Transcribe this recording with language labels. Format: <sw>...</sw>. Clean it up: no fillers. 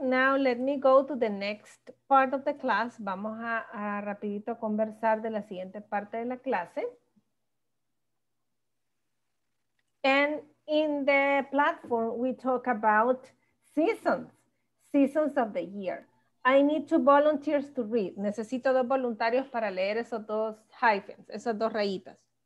<en>Now let me go to the next part of the class.</en> <es>Vamos a rapidito conversar de la siguiente parte de la clase.</es> <en>And in the platform, we talk about seasons, seasons of the year. I need two volunteers to read.</en> <es>Necesito dos voluntarios para leer esos dos hyphens, esas dos rayitas.</es>